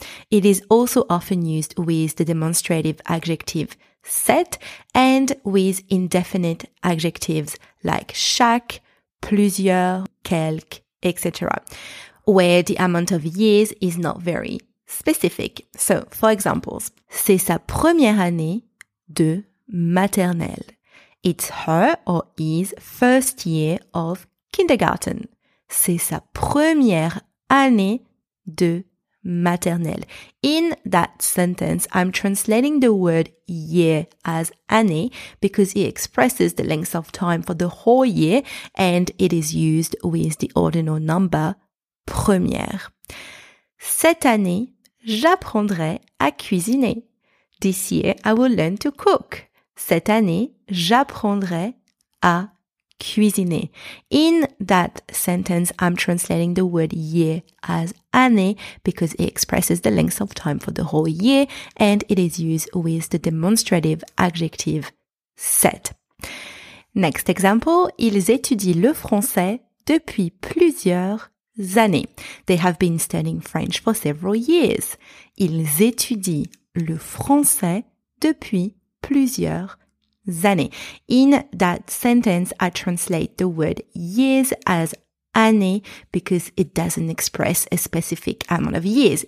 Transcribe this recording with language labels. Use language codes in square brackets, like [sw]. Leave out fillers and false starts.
[en] It is also often used with the demonstrative adjective cet and with indefinite adjectives like chaque, plusieurs, quelques, etc., where the amount of years is not very specific. So, for examples, [fr] c'est sa première année de maternelle. [en] It's her or his first year of kindergarten. [fr] C'est sa première année de maternelle. [en] In that sentence, I'm translating the word year as année because it expresses the length of time for the whole year and it is used with the ordinal number première. [fr] Cette année, j'apprendrai à cuisiner. [en] This year, I will learn to cook. [fr] Cette année, j'apprendrai à cuisiner. [en] In that sentence, I'm translating the word year as année because it expresses the length of time for the whole year and it is used with the demonstrative adjective cet. Next example, [fr] ils étudient le français depuis plusieurs années. [en] They have been studying French for several years. [fr] Ils étudient le français depuis plusieurs années. [en] In that sentence, I translate the word years as année because it doesn't express a specific amount of years.